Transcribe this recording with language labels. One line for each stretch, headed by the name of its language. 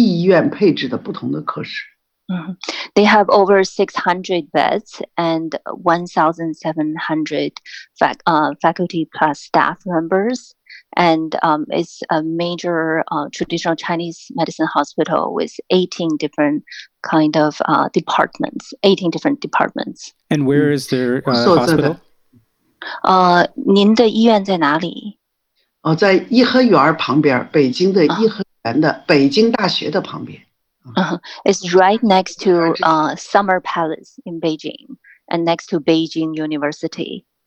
Chinese: 我们医院有600多张床位，有1700个职工，有18个不同的科室，就像西医院配置的不同的科室。
English: They have over 600 beds and 1,700 faculty plus staff members. And it's a major traditional Chinese medicine hospital with 18 different kind of departments, 18 different departments. And where is their hospital?
Chinese: 您的医院在哪里? 在颐和园旁边，北京的颐和园的北京大学的旁边。
English: It's right next to Summer Palace in Beijing, and next to Beijing University.